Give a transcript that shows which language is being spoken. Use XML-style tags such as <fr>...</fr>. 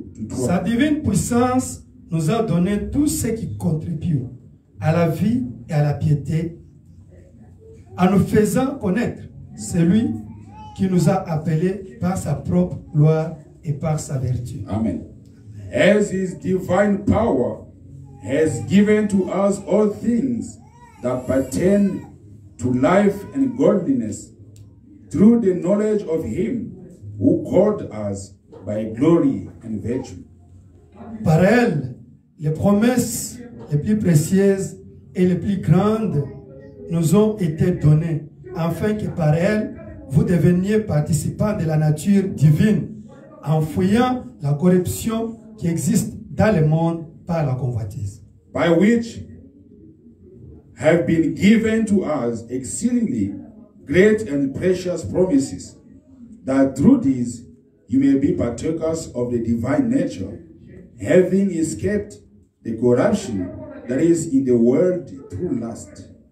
<fr>Sa divine puissance nous a donné tout ce qui contribue à la vie et à la piété, en nous faisant connaître celui qui nous a appelés par sa propre gloire et par sa vertu. Amen.</fr> <en>As his divine power has given to us all things that pertain to life and godliness, through the knowledge of him who called us by glory and virtue.</en> <fr>Par elle, les promesses les plus précieuses et les plus grandes nous ont été données, afin que par elles, vous deveniez participants de la nature divine, en fuyant la corruption qui existe dans le monde par la convoitise.</fr> <en>By which have been given to us exceedingly great and precious promises, that through these you may be partakers of the divine nature, having escaped the corruption that is in the world through lust.</en>